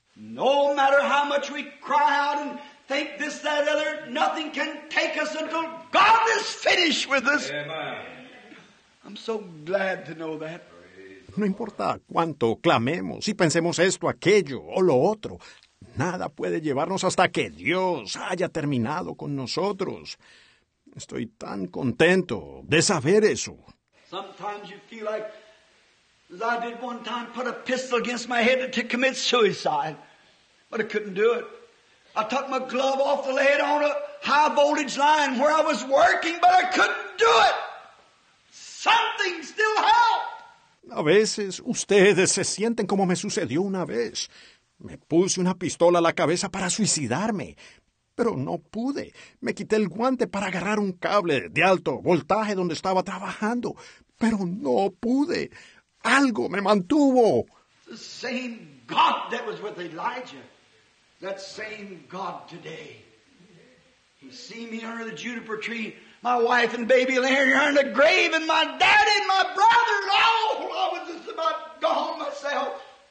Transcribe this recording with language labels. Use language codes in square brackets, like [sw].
[en] No matter how much we cry out and think this, that, or other, nothing can take us until God is finished with us. Amen. I'm so glad to know that. [es] No importa cuánto clamemos y pensemos esto, aquello o lo otro, nada puede llevarnos hasta que Dios haya terminado con nosotros. Estoy tan contento de saber eso. [en] Sometimes you feel like, as I did one time, put a pistol against my head to commit suicide. But I couldn't do it. I took my glove off the lead on a high voltage line where I was working, but I couldn't do it. Something still helped. [es] A veces ustedes se sienten como me sucedió una vez. Me puse una pistola a la cabeza para suicidarme, pero no pude. Me quité el guante para agarrar un cable de alto voltaje donde estaba trabajando, pero no pude. Algo me mantuvo. [en] The same God that was with Elijah, that same God today. He see me under the juniper tree, my wife and baby laying here in the grave, and my daddy and my brother, and all I was just about gone myself.